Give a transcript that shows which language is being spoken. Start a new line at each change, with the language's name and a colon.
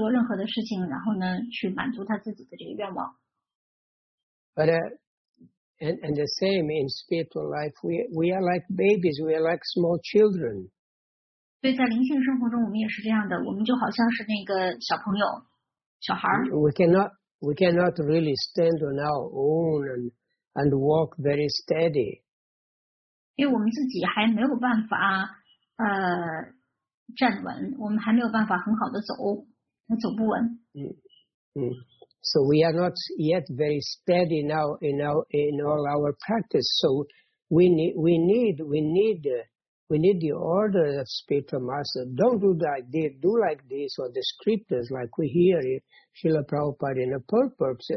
Chinese: 比如说呢，家长就会对孩子说：“别做这个，别做那个。”但是呢，这个孩子呢，他有他自己很蠢的这种愿望，所以呢，他就不会听他的爸爸妈妈的这个话，然后呢，他就会异想天开的去做任何的事情，然后呢，去满足他自己的这个愿望。
English: But the same in spiritual life, we are like babies, we are like small children.
Chinese: 对，在灵性生活中，我们也是这样的，我们就好像是那个小朋友。
English: We cannot really stand on our own and walk very steady.
Chinese: 因为我们自己还没有办法站稳，我们还没有办法很好的走，走不稳。
English: So we are not yet very steady now in all our practice. So we need the order of spiritual master. Don't do like this, do like this, or the scriptures like we hear it, Srila Prabhupada in a purpose.